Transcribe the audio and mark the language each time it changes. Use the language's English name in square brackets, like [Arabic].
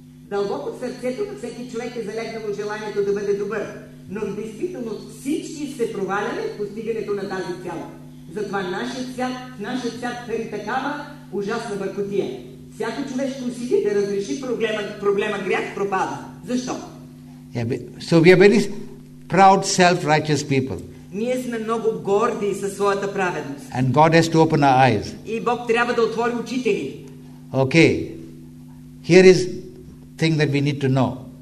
[Bulgarian] Дълбоко в сърцето на всеки човек е залегнало желанието да бъде добър. Но в действителност всички се проваляме в постигането на тази цяло. Затова нашият свят търи такава ужасна бъркотия. Всяко човешко усилие да разреши проблема грях пропада. Защо? [English] Yeah, so we are very proud, self-righteous people. [Bulgarian] Ние сме много горди със своята праведност. [English] And God has to open our eyes. [Bulgarian] И Бог трябва да отвори очите ни. [English] Okay. Here is thing that we need to know.